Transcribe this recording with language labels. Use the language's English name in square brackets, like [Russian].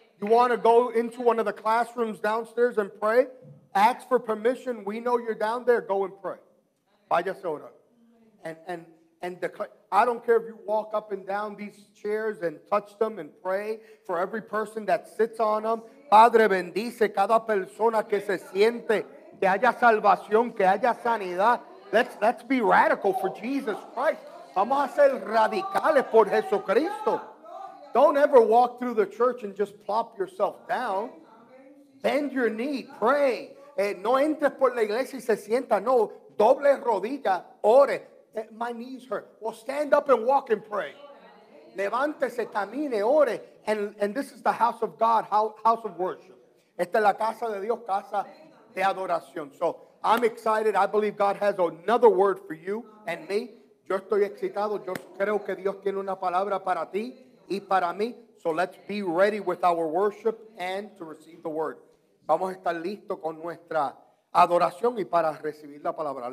[English] You want to go into one of the classrooms downstairs and pray? Ask for permission. We know you're down there. Go and pray. [Spanish] Váyase a orar. [English] And I don't care if you walk up and down these chairs and touch them and pray for every person that sits on them. [Spanish] Padre, bendice cada persona que se siente, que haya salvación, que haya sanidad. [English] Let's be radical for Jesus Christ. [Spanish] Vamos a ser radicales por Jesucristo. [English] Don't ever walk through the church and just plop yourself down. Bend your knee. Pray. [Spanish] No entres por la iglesia y se sienta. No. Doble rodilla. Ore. [English] My knees hurt. Well, stand up and walk and pray. [Spanish] Levántese, camine, ore. [English] And this is the house of God, house of worship. [Spanish] Esta es la casa de Dios, casa de adoración. [English] So I'm excited. I believe God has another word for you and me. [Spanish] Yo estoy excitado. Yo creo que Dios tiene una palabra para ti. Y para mí, [English] So let's be ready with our worship and to receive the word. [Spanish] Vamos a estar listos con nuestra adoración y para recibir la palabra.